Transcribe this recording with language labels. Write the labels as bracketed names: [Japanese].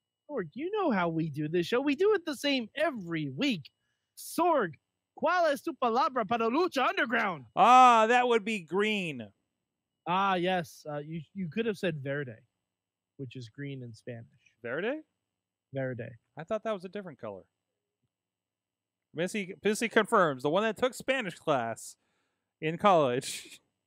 [English] Sorg, you know how we do this show. We do it the same every week. [Spanish] Sorg, ¿cuál es tu palabra para lucha underground? [English] Ah, that would be green. Ah, yes. You could have said verde, which is green in Spanish. [Spanish] Verde? Verde. [English] I thought that was a different color. Missy confirms, the one that took Spanish class in college.